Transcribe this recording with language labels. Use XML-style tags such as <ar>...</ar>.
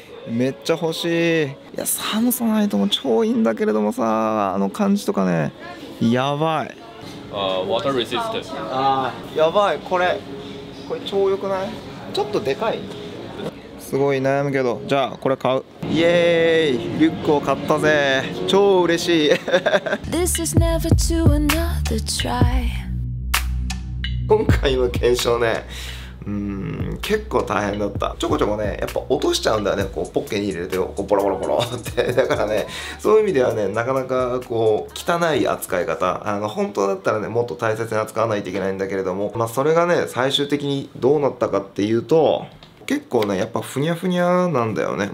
<ja>めっちゃ欲しい。いや、サムソナイトも超いいんだけれどもさ、あの感じとかね、やばい。</ja> <en>Water resistant。</en> <ja>あー、やばい、これ超良くない？ちょっとでかい、すごい悩むけど、じゃあこれ買う。イエーイ、リュックを買ったぜ、超嬉しい。</ja> <en>This is never to another try.</en> <ja>今回の検証ね、結構大変だった。ちょこちょこね、やっぱ落としちゃうんだよね、こうポッケに入れてこうボロボロボロって。だからね、そういう意味ではね、なかなかこう汚い扱い方、本当だったらね、もっと大切に扱わないといけないんだけれども、まあそれがね、最終的にどうなったかっていうと、結構ね、やっぱふにゃふにゃなんだよね。</ja>